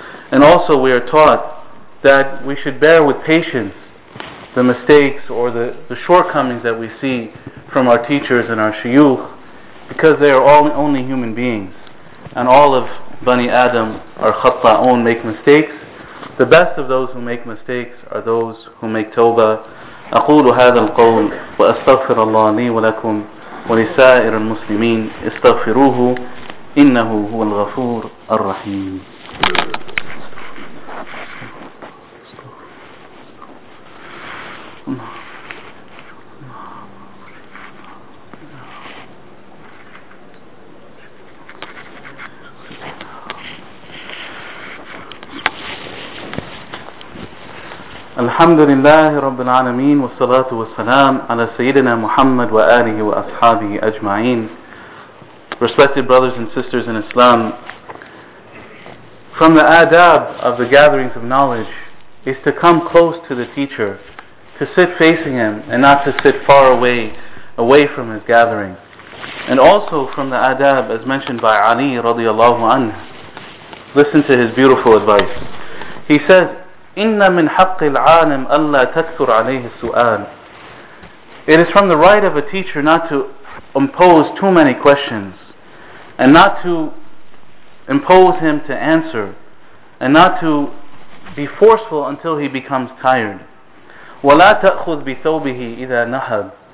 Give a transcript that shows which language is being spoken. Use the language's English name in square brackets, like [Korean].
[English] And also we are taught that we should bear with patience the mistakes or the shortcomings that we see from our teachers and our shuyukh, because they are all only human beings. And all of Bani Adam or Khatta'un make mistakes. The best of those who make mistakes are those who make tawbah. [Arabic] أقول هذا القول وأستغفر الله لي ولكم ولسائر المسلمين استغفروه إنه هو الغفور الرحيم. الحمد لله رب العالمين والصلاة والسلام على سيدنا محمد وآله وأصحابه أجمعين. [English] Respected brothers and sisters in Islam, from the adab of the gatherings of knowledge is to come close to the teacher, to sit facing him and not to sit far away from his gathering. And also from the adab, as mentioned by Ali [Arabic] رضي الله عنه, [English] listen to his beautiful advice. He says, [Arabic] إِنَّ مِنْ حَقِّ الْعَالِمْ أَلَّا تَكْثُرْ عَلَيْهِ السُّؤَالِ. [English] It is from the right of a teacher not to impose too many questions, and not to impose him to answer, and not to be forceful until he becomes tired. [Arabic] وَلَا تَأْخُذْ بِثَوْبِهِ إِذَا نَحَدْ.